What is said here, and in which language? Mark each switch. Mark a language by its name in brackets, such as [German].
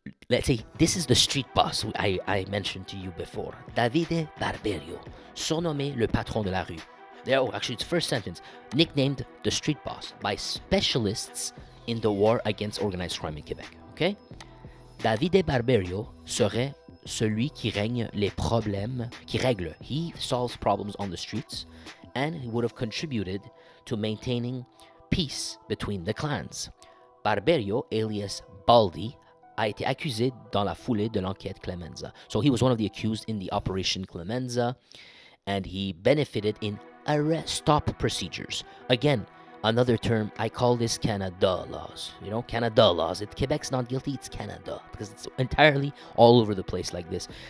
[English] Let's say, this is the street boss I mentioned to you before. [French] Davide Barberio, surnommé le patron de la rue. [English] Actually, it's the first sentence. Nicknamed the street boss by specialists in the war against organized crime in Quebec. Okay? [French] Davide Barberio serait celui qui règne les problèmes, qui règle. [English] He solves problems on the streets, and he would have contributed to maintaining peace between the clans. [French] Barberio, alias Baldi, a été accusé dans la foulée de l'enquête Clemenza. [English] So he was one of the accused in the Operation Clemenza, and he benefited in arrest stop procedures. Again, another term, I call this Canada laws. You know, Canada laws. If Quebec's not guilty, it's Canada, because it's entirely all over the place like this.